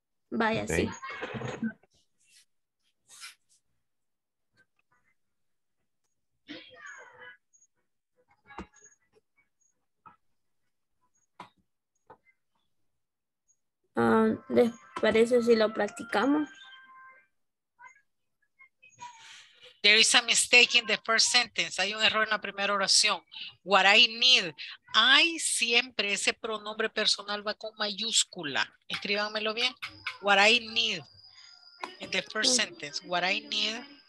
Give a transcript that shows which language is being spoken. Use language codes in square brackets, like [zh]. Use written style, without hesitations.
[es] Vaya, okay. Sí, ¿les parece si lo practicamos? [en] There is a mistake in the first sentence. [es] Hay un error en la primera oración. [en] What I need. [es] I siempre, ese pronombre personal va con mayúscula. Escríbanmelo bien. [en] What I need. In the first sentence. What I need.